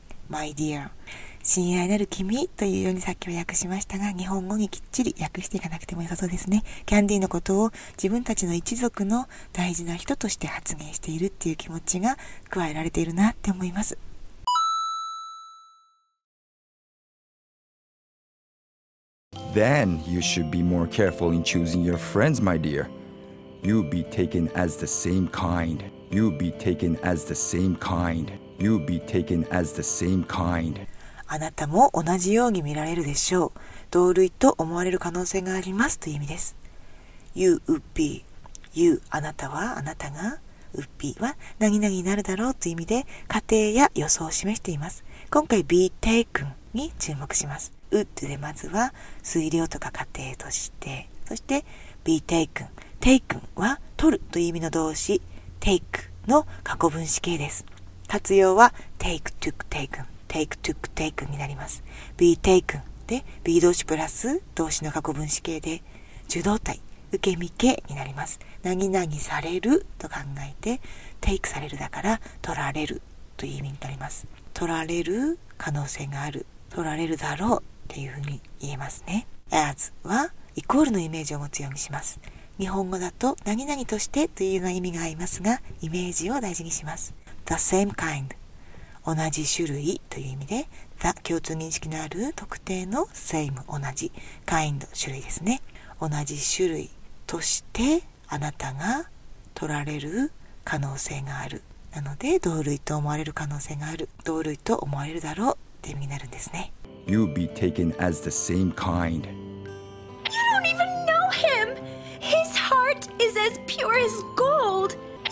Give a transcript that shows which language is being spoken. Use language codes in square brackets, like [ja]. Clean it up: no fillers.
[en] my dear、 [ja] 親愛なる君というようにさっきは訳しましたが、日本語にきっちり訳していかなくても良さそうですね。キャンディのことを自分たちの一族の大事な人として発言しているっていう気持ちが加えられているなって思います。 [en] Then you should be more careful in choosing your friends, my dear. You'll be taken as the same kind. You'll be taken as the same kind. You'll be taken as the same kind. [ja] あなたも同じように見られるでしょう。同類と思われる可能性がありますという意味です。 [en] You would be。 [ja] You、 あなたは、あなたが。 [en] Would be [ja] は何々になるだろうという意味で、仮定や予想を示しています。今回 [en] be taken [ja] に注目します。Would でまずは推量とか仮定として、そして [en] be taken。 [ja] taken は取るという意味の動詞 take の過去分詞形です。活用は [en] take took taken take took taken [ja] になります。 [en] be taken [ja] で be 動詞プラス動詞の過去分詞形で受動態受け身形になります。何々されると考えて take されるだから取られるという意味になります。取られる可能性がある、取られるだろうっていうふうに言えますね。 as はイコールのイメージを持つようにします。日本語だと何々としてというような意味がありますが、イメージを大事にします。 [en] the same kind [ja] 同じ種類という意味で、 the 共通認識のある特定の same 同じ kind 種類ですね。同じ種類としてあなたが取られる可能性がある、なので同類と思われる可能性がある、同類と思われるだろうという意味になるんですね。 [en] You'll be taken as the same kind. You don't even know him. His heart is as pure as gold. You don't even know him.